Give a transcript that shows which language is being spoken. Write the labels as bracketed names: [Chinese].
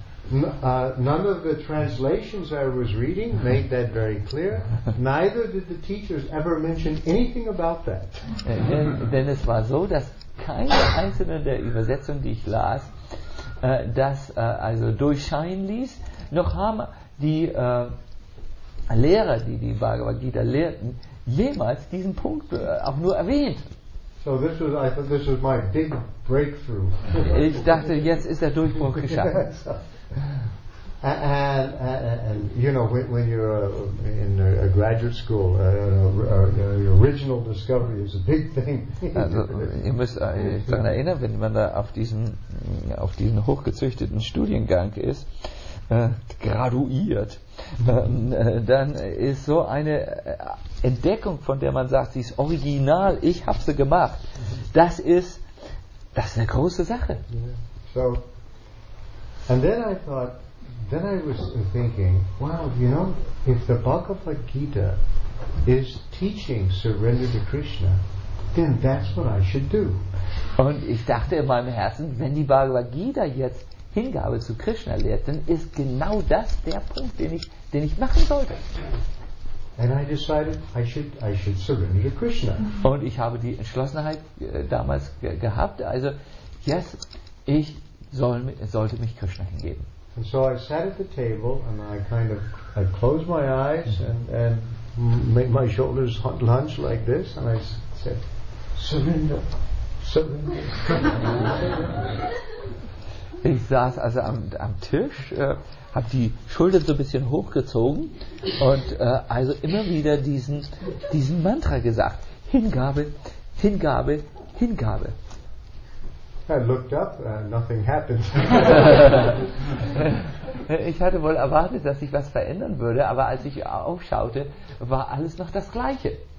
[English] Because none of the translations I was reading made that very clear. Neither did the teachers ever mention anything about that. [German] Denn es war so, dass keine einzelne der Übersetzungen, die ich las, das also durchscheinen ließ, noch haben die Lehrer, die Bhagavad Gita lehrten, jemals diesen Punkt auch nur erwähnt. [English] So this was, I thought this was my big breakthrough. [German] Ich dachte, jetzt ist der Durchbruch geschafft. [English] Yes. And you know, when you're in a graduate school, your original discovery is a big thing. [German] Also, ihr müsst euch daran erinnern, wenn man da auf diesen hochgezüchteten Studiengang ist, graduiert, dann ist so eine Entdeckung, von der man sagt, sie ist original, ich habe sie gemacht, das ist eine große Sache. [English] Yeah. So, and then I thought. Then I was thinking, wow, you know, if the Bhagavad Gita is teaching surrender to Krishna, then that's what I should do. [German] Und ich dachte in meinem Herzen, wenn die Bhagavad Gita jetzt Hingabe zu Krishna lehrt, dann ist genau das der Punkt, den ich machen sollte. [English] And I decided I should surrender to Krishna. [German] Und ich habe die Entschlossenheit damals gehabt, also jetzt sollte mich Krishna hingeben. [English] And so I sat at the table and I closed my eyes and made my shoulders hunch like this and I said, surrender, surrender. [German] Ich saß also am Tisch, habe die Schultern so ein bisschen hochgezogen und also immer wieder diesen Mantra gesagt, Hingabe, Hingabe, Hingabe. [English] I looked up, nothing happened. [German] Ich hatte wohl erwartet, dass sich was verändern würde, aber als ich aufschaute, war alles noch das Gleiche.